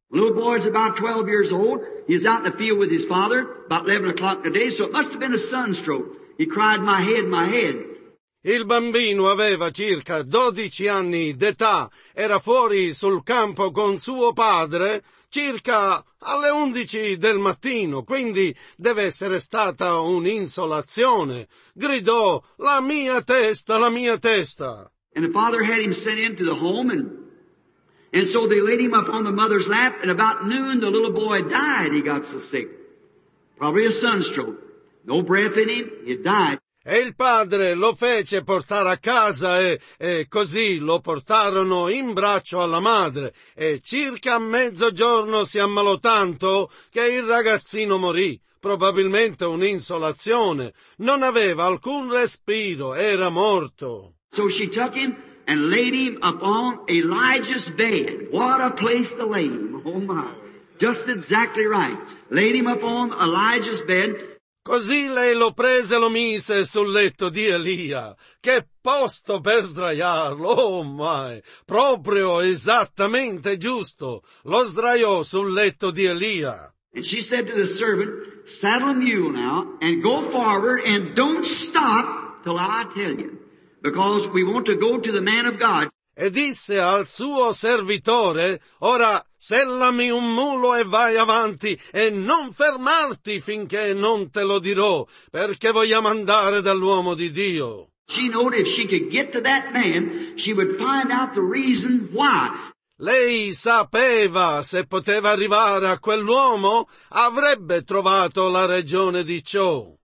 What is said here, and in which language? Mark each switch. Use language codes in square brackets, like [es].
[en] Little boy is about 12 years old. He's out in the field with his father, about 11 o'clock today, so it must have been a sunstroke. He cried, my head, my head. [it] Il bambino aveva circa 12 anni d'età, era fuori sul campo con suo padre circa alle 11 del mattino, quindi deve essere stata un'insolazione. Gridò, la mia testa, la mia testa. [en] And the father had him sent into the home, and so they laid him up on the mother's lap, and about noon the little boy died, he got so sick. Probably a sunstroke. No breath in him, he died. [it] E il padre lo fece portare a casa e così lo portarono in braccio alla madre. E circa a mezzogiorno si ammalò tanto che il ragazzino morì. Probabilmente un'insolazione. Non aveva alcun respiro, era morto. [en] So she took him and laid him upon Elijah's bed. What a place to lay him. Oh my. Just exactly right. Laid him upon Elijah's bed. [it] Così lei lo prese e lo mise sul letto di Elia. Che posto per sdraiarlo, [en] oh my, [it] proprio esattamente giusto. Lo sdraiò sul letto di Elia. [en] And she said to the servant, saddle a mule now and go forward and don't stop till I tell you, because we want to go to the man of God. [it] E disse al suo servitore, ora sellami un mulo e vai avanti e non fermarti finché non te lo dirò, perché vogliamo andare dall'uomo di Dio. [en] She knew if she could get to that man, she would find out the reason why. [it] Lei sapeva se poteva arrivare a quell'uomo, avrebbe trovato la ragione di ciò.